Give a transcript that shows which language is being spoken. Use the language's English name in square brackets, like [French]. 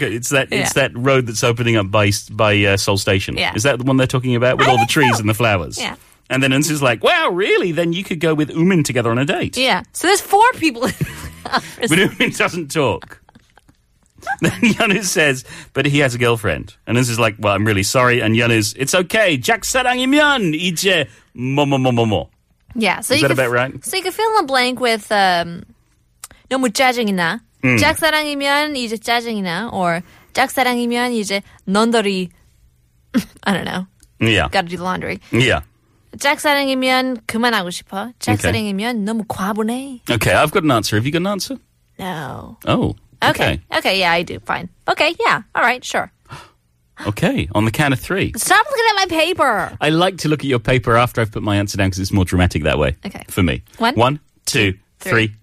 [English] It's that road that's opening up by Seoul Station. Yeah. Is that the one they're talking about with I all the trees and the flowers? Yeah. And then Eunsu's like, "Wow, really? Then you could go with Umin together on a date." Yeah. So there's four people. But Umin doesn't talk. Then Yeonu says, "But he has a girlfriend." And Eunsu's like, "Well, I'm really sorry." And Yeonu's, "It's okay. [Korean] 짝사랑이면 이제 뭐뭐뭐뭐뭐." [English] Yeah. So is that about right? So you can fill in the blank with. [Korean] 너무 짜증이 나. 짝사랑이면 이제 짜증이 나. Or 짝사랑이면 이제 넌더리. [English] I don't know. Yeah. Gotta do the laundry. Yeah. [Korean] 짝사랑이면 그만하고 싶어. 짝사랑이면 너무 과분해. [English] Okay, I've got an answer. Have you got an answer? No. Oh, okay. Okay, yeah, I do. Fine. Okay, yeah. All right, sure. Okay, on the count of three. Stop looking at my paper. I like to look at your paper after I've put my answer down because it's more dramatic that way. Okay. For me. One, two, three.